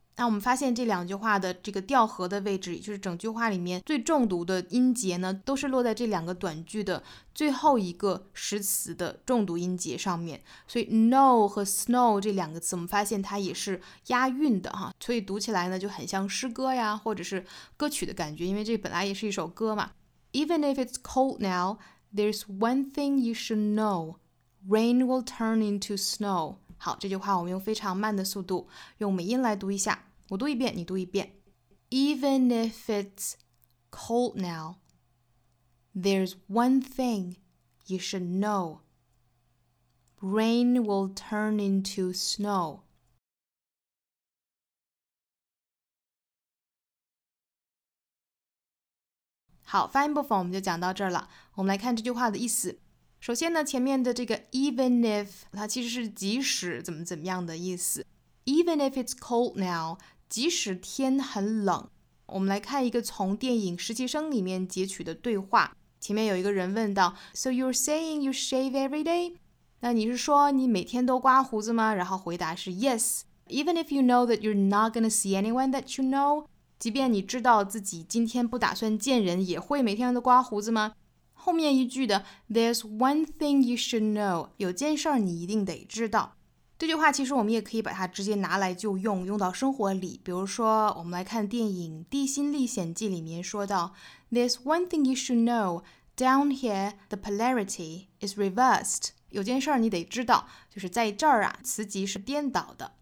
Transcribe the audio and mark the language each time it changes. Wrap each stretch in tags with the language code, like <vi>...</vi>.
<zh>那我们发现这两句话的这个调和的位置，也就是整句话里面最重读的音节呢，都是落在这两个短句的最后一个实词的重读音节上面。所以 know 和 snow 这两个词，我们发现它也是押韵的哈，所以读起来呢就很像诗歌呀，或者是歌曲的感觉，因为这本来也是一首歌嘛。</zh> <en>Even if it's cold now, there's one thing you should know. Rain will turn into snow.</en> <zh>好，这句话我们用非常慢的速度，用美音来读一下。我读一遍，你读一遍。</zh> <en>Even if it's cold now, there's one thing you should know. Rain will turn into snow.</en> <zh>好，发音部分我们就讲到这儿了。我们来看这句话的意思。首先呢，前面的这个 even if 它其实是即使怎么怎么样的意思。</zh> <en>Even if it's cold now，</en> <zh>即使天很冷。我们来看一个从电影实习生里面截取的对话，前面有一个人问到</zh> <en>So you're saying you shave every day？</en> <zh>那你是说你每天都刮胡子吗？然后回答是</zh> <en>Yes， Even if you know</en> <zh>that you're not gonna see anyone that you know， 即便你知道自己今天不打算见人，也会每天都刮胡子吗？后面一句的</zh> <en>There's one thing you should know，</en> <zh>有件事你一定得知道。这句话其实我们也可以把它直接拿来就用，用到生活里。比如说我们来看电影《地心历险记》里面说到</zh> <en>There's one thing you should know， down here the polarity is reversed，</en> <zh>有件事你得知道，就是在这儿啊磁极是颠倒的。</zh>